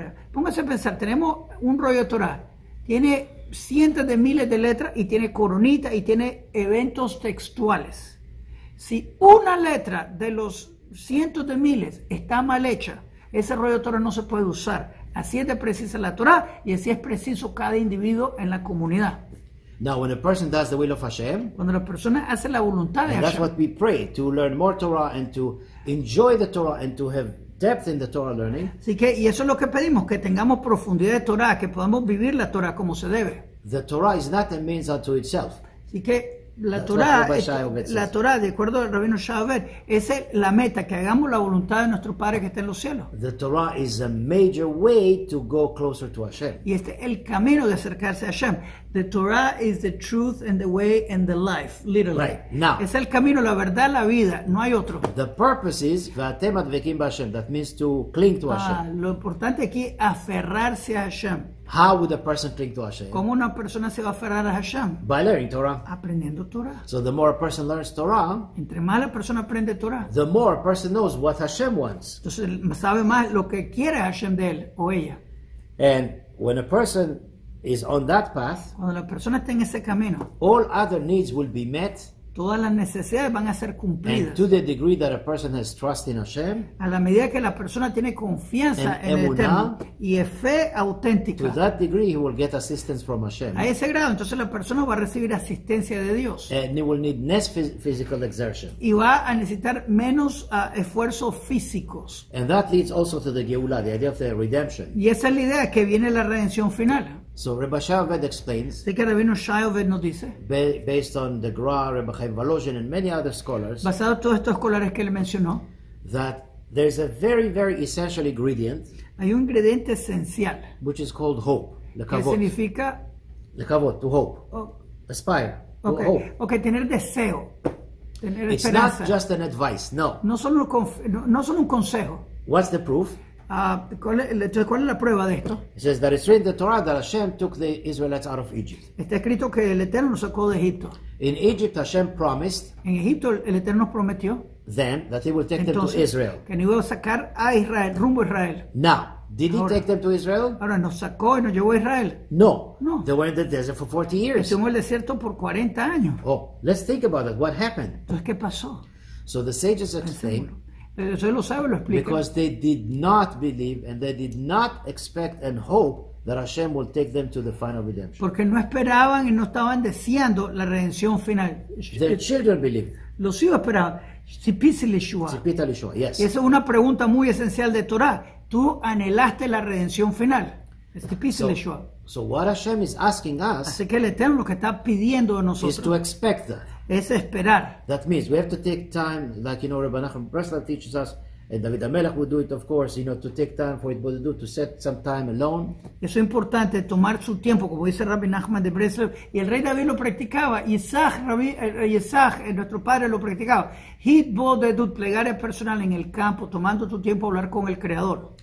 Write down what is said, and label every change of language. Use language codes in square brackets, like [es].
[es] Póngase a pensar, tenemos un rollo Torah, tiene cientos de miles de letras y tiene coronita y tiene eventos textuales. Si una letra de los cientos de miles está mal hecha, ese rollo Torah no se puede usar. Así es de precisa la Torah y así es preciso cada individuo en la comunidad. [en] Now, when a person does the will of Hashem, [es] cuando la persona hace la voluntad de [en] Hashem, that's what we pray, to learn more Torah and to enjoy the Torah and to have depth in the Torah learning. [es] Así que, y eso es lo que pedimos, que tengamos profundidad de Torah, que podamos vivir la Torah como se debe. [en] The Torah is not a means unto itself. [es] Así que La Torah, de acuerdo al Rabino Shaver, esa es la meta, que hagamos la voluntad de nuestro Padre que está en los cielos. [en] The Torah is a major way to go closer to Hashem. [es] Y este es el camino de acercarse a Hashem. [en] The Torah is the truth and the way and the life, literally. Right. Now, [es] es el camino, la verdad, la vida, no hay otro. [en] The purpose is [he] v'atem advekim b'Hashem, [en] that means to cling to Hashem. [es] Lo importante aquí, aferrarse a Hashem. [en] How would a person cling to Hashem? [es] ¿Cómo una persona se va a aferrar a Hashem? [en] By learning Torah. [es] Aprendiendo Torah. [en] So the more a person learns Torah, [es] entre más la persona aprende Torah, [en] the more a person knows what Hashem wants. [es] Entonces sabe más lo que quiere Hashem de él o ella. [en] And when a person is on that path, [es] cuando la persona está en ese camino, [en] all other needs will be met. [es] Todas las necesidades van a ser cumplidas. [en] And to the degree that a person has trust in Hashem, [es] a la medida que la persona tiene confianza en el Eterno y es fe auténtica, [en] to that degree he will get assistance from Hashem. [es] A ese grado, entonces la persona va a recibir asistencia de Dios. [en] And he will need less physical exertion. [es] Y va a necesitar menos esfuerzos físicos. [en] And that leads also to the Geulah, the idea of the redemption. [es] Y esa es la idea, que viene la redención final. [en] So Rabbi Shaved explains, [es] así que Rabino Shaved nos dice, [en] based on the Gra, Rabbi Chaim Volozhin and many other scholars, [es] basado en todos estos escolares que él mencionó, [en] that there's a very, very essential ingredient, [es] hay un ingrediente esencial, [en] which is called hope, lekavot. [es] ¿Qué significa? [en] Lekavot, to hope, aspire, okay. To hope. [es] Okay, tener deseo, tener esperanza. [en] It's not just an advice, no. [es] No solo un consejo. [en] What's the proof? [es] ¿Cuál es la prueba de esto? [en] It says that it's written in the Torah that Hashem took the Israelites out of Egypt. [es] Está escrito que el Eterno nos sacó de Egipto. [en] In Egypt, Hashem promised. [es] En Egipto, el Eterno nos prometió. [en] Then that He will take [es] entonces, [en] them to Israel. [es] Que nos iba a sacar a Israel, rumbo a Israel. [en] Now, did [es] ahora, [en] He take them to Israel? [es] Ahora nos sacó y nos llevó a Israel. [en] No. [es] No. [en] They were in the desert for 40 years. [es] Estuvimos en el desierto por 40 años. [en] Oh, let's think about it. What happened? [es] Entonces, ¿qué pasó? [en] So the sages explain. [es] Lo sabe, lo [en] because they did not believe and they did not expect and hope that Hashem will take them to the final redemption. [es] Porque no esperaban y no estaban deseando la redención final. [en] Their children believed. [es] Los hijos esperaban. [he] Tzipita [en] Lishua, yes. [es] Y esa es una pregunta muy esencial de Torah. Tú anhelaste la redención final. [en] So what Hashem is asking us, [es] así que el Eterno lo que está pidiendo de nosotros, [en] is to expect that. [es] Es esperar. [en] That means we have to take time, like you know, Rabbi Nachman Breslov teaches us, and David HaMelech would do it, of course, you know, to take time for it, but to set some time alone. [es] Eso es importante, tomar su tiempo, como dice Rabbi Nachman de Breslov, y el rey David lo practicaba, Isaac, nuestro padre lo practicaba. Hit bodedut, plegaria personal en el campo, tomando tu tiempo a hablar con el Creador.